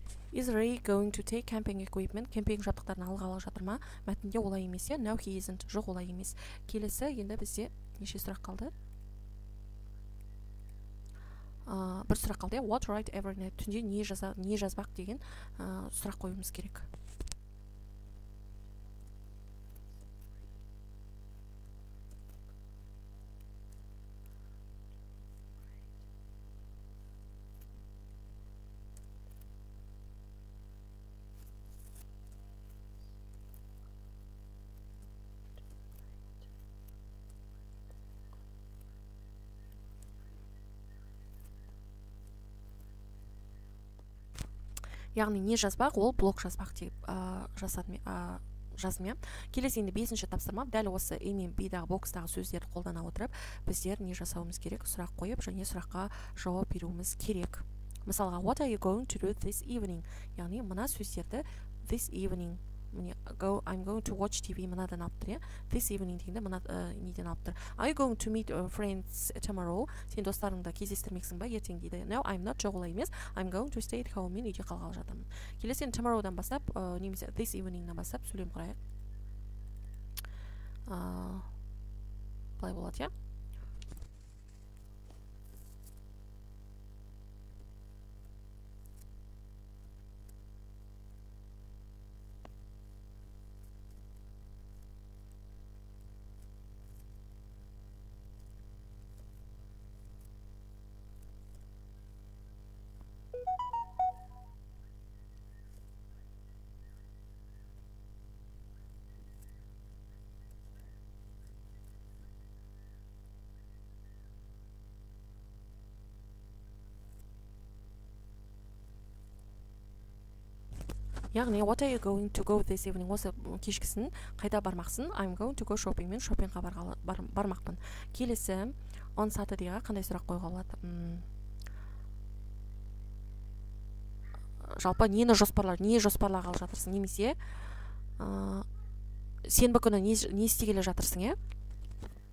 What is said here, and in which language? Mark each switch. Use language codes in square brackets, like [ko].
[en] Is Ray going to take camping equipment? [kk] Кемпинг жабдықтарын алғалы жатыр ма? Мәтінде олай емес, иә. [en] No, he isn't. [kk] Жоқ, олай емес. Келесі, енді бізде неше сұрақ қалды? бір сұрақ қалды, [en] what write every night, [kk] түнде не жаза, не жазбақ деген сұрақ қоюымыз керек. Яғни не жазбақ, ол блок жазбақ деп жазмы. Келесі енді 5-ші тапсырма. Дәл осы MMP-дағы бокстағы сөздерді қолдана отырып, біздер не жасауымыз керек? Сұрақ қойып, және сұраққа жауап беруіміз керек. [en] Мысалға, what are you going to do this evening? [kk] Яғни мына сөздерді [en] this evening. I'm going to watch TV [kk] мынадан алып тұр, this evening дегенде мына неден алып тұр. [en] Are you going to meet friends tomorrow? [kk] Сен достарыңды кездестірмексің ба ертең дейді. [en] No, I'm not, [kk] жоқ олай емес. [en] I'm going to stay at home, [kk] мен үйде қалғалы жатамын. Келесі енді tomorrow-дан бастап, немесе this evening-нан бастап сөйлем құрайық. Былай болады, yeah? [en] Яғни, what are you going to go this evening? [kk] Осы кешкісін қайда бармақсың? [en] I'm going to go shopping. [kk] Мен шопингқа бармақпын. Келесі, on Saturday-ға қандай сұрақ қойға болады? Жалпы, нені жоспарлар, не жоспарлағалы жатырсың? Немесе, сенбі күні не істегелі жатырсың, е?